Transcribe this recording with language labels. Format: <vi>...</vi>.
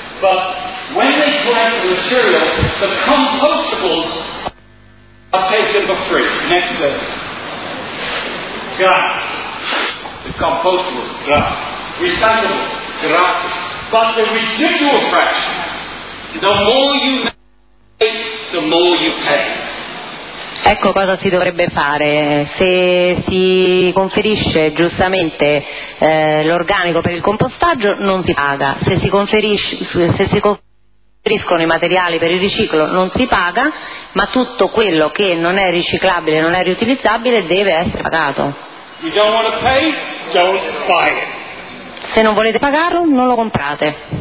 <en>But when they collect the material, the compostables are taken for free. Next verse. Gratis. The compostables, gratis. Recyclable, gratis. But the residual fraction, the more you make, the more you pay.</en> <it>Ecco cosa si dovrebbe fare. Se si conferisce giustamente l'organico per il compostaggio, non si paga. Se si conferiscono i materiali per il riciclo, non si paga, ma tutto quello che non è riciclabile, non è riutilizzabile, deve essere pagato.</it> <en>You don't want to pay, don't buy it.</en> <it>Se non volete pagarlo, non lo comprate.</it>